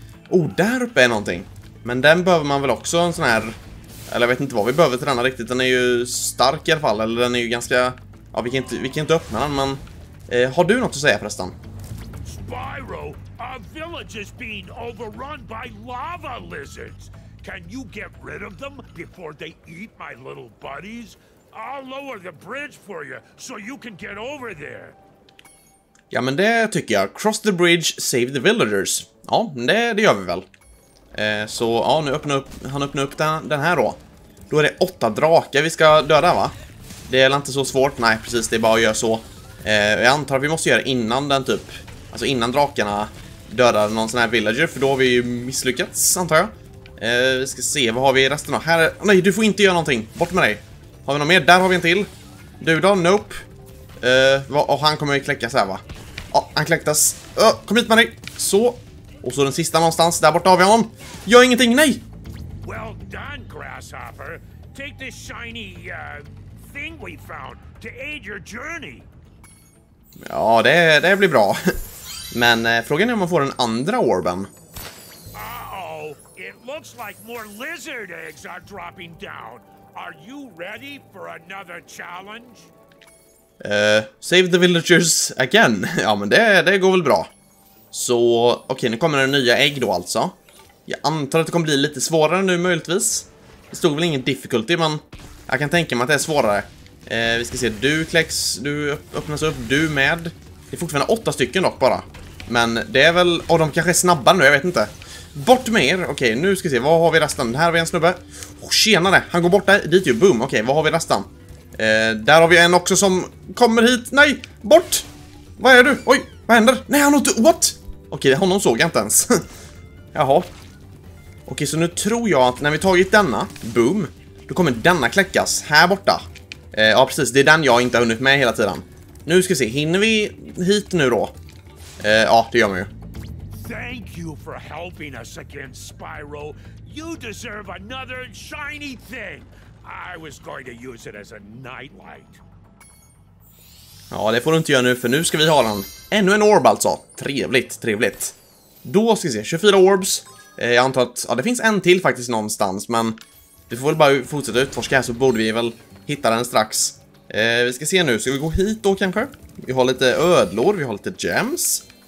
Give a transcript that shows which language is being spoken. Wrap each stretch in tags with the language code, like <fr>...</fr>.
<sv>Oh, där uppe är någonting. Men den behöver man väl också en sån här... Eller jag vet inte vad vi behöver träna riktigt. Den är ju stark i alla fall, eller den är ju ganska... Ja, vi kan inte öppna den, men... har du något att säga, förresten? Spyro!</sv> <en>Our village is being overrun by lava lizards. Can you get rid of them before they eat my little buddies? I'll lower the bridge for you so you can get over there.</en> <sv>Ja, men det tycker jag.</sv> <en>Cross the bridge, save the villagers.</en> <sv>Ja, det gör vi väl. Så ja, nu öppnar upp han öppnar upp den här då. Då är det 8 drakar vi ska döda, va? Det är inte så svårt. Nej, precis, det är bara att göra så. Jag antar att vi måste göra innan den typ, alltså innan drakarna dödar någon sån här villager, för då har vi ju misslyckats, antar jag. Vi ska se, vad har vi i resten då? Här är... Nej, du får inte göra någonting. Bort med dig. Har vi någon mer? Där har vi en till. Du då? Nope. Och han kommer ju kläckas här, va? Ja, han kläcktas. Kom hit med dig. Så. Och så den sista någonstans. Där borta har vi honom. Gör ingenting, nej!</sv> <en>Well done, grasshopper. Take this shiny, thing we found to aid your journey.</en> <sv>Ja, det blir bra. Men frågan är om man får den andra orben.</sv> <en>Uh-oh, it looks like more lizard eggs are dropping down. Are you ready for another challenge? Save the villagers again.</en> <sv>Ja, men det går väl bra. Så, okej, nu kommer det nya ägg då alltså. Jag antar att det kommer bli lite svårare nu möjligtvis. Det stod väl ingen difficulty, men jag kan tänka mig att det är svårare. Vi ska se, du kläcks, du öppnas upp, du med. Det är fortfarande 8 stycken dock bara. Men det är väl, de kanske är snabba nu, jag vet inte. Bort med er, okej, nu ska vi se, vad har vi resten? Här har vi en snubbe. Tjenare, han går bort där, dit ju, boom, okej, vad har vi resten? Där har vi en också som kommer hit, nej, bort! Vad är du? Oj, vad händer? Nej, han åt, what? Okej, honom såg jag inte ens. Jaha. Okej, så nu tror jag att när vi tagit denna, boom, då kommer denna kläckas här borta. Ja, precis, det är den jag inte har hunnit med hela tiden. Nu ska vi se, hinner vi hit nu då? Ja, det gör man ju.</sv> <en>Thank you for helping us against Spyro. You deserve another shiny thing. I was going to use it as a nightlight.</en> <sv>Ja, det får du inte göra nu, för nu ska vi ha den. Ännu en orb alltså. Trevligt, trevligt. Då ska vi se, 24 orbs. Jag antar att, ja, det finns en till faktiskt någonstans, men vi får väl bara fortsätta utforska här, så borde vi väl hitta den strax. Vi ska se nu, ska vi gå hit då kanske? Vi har lite ödlor, vi har lite gems.</sv>